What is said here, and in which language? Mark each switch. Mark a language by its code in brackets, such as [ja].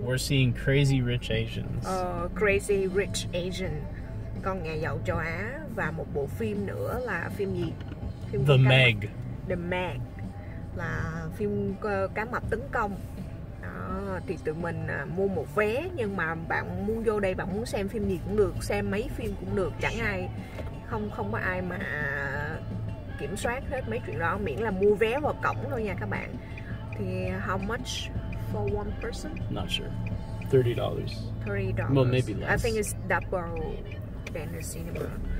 [en] Oh, we're seeing Crazy Rich Asians. [vi] Crazy Rich Asian, Con nhà giàu châu Á. Và một bộ phim nữa là phim gì? Phim [en] The Meg. [vi] The Meg là phim cá mập tấn công. Thì tụi mình mua một vé, nhưng mà bạn muốn vô đây, bạn muốn xem phim gì cũng được, xem mấy phim cũng được, chẳng ai, không có ai mà kiểm soát hết mấy chuyện đó, miễn là mua vé vào cổng thôi nha các bạn. [en] Thì how much for one person? Not sure. $30. $30. Well, maybe less. I think it's double than the cinema.